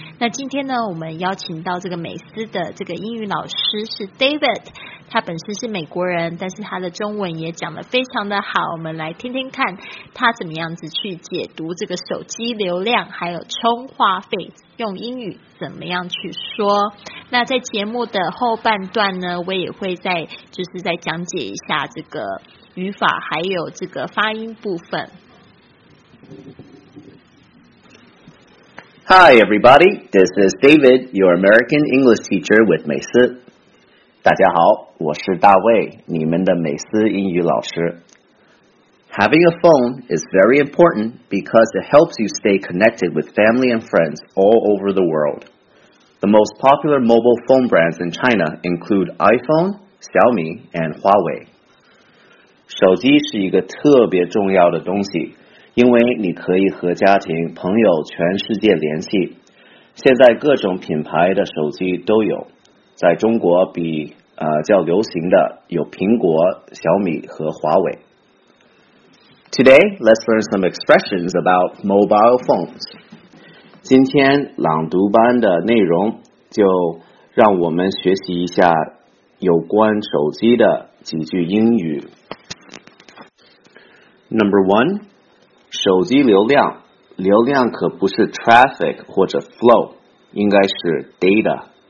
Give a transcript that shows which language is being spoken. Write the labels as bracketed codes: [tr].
[zh] 那今天呢，我们邀请到这个美思的这个英语老师是 David， 他本身是美国人，但是他的中文也讲得非常的好，我们来听听看他怎么样子去解读这个手机流量还有充话费用英语怎么样去说。那在节目的后半段呢，我也会再就是再讲解一下这个语法还有这个发音部分。 [en] Hi everybody, this is David, your American English teacher with 美思。 [zh] 大家好，我是大卫，你们的美思英语老师。 [en] Having a phone is very important because it helps you stay connected with family and friends all over the world. The most popular mobile phone brands in China include iPhone, Xiaomi, and Huawei. [zh] 手机是一个特别重要的东西，因为你可以和家庭、朋友、全世界联系。现在各种品牌的手机都有，在中国比较流行的有苹果、小米和华为。 [en] Today, let's learn some expressions about mobile phones. [zh] 今天朗读班的内容就让我们学习一下有关手机的几句英语。 Number one, 手机流量，流量可不是 traffic 或者 flow, 应该是 data.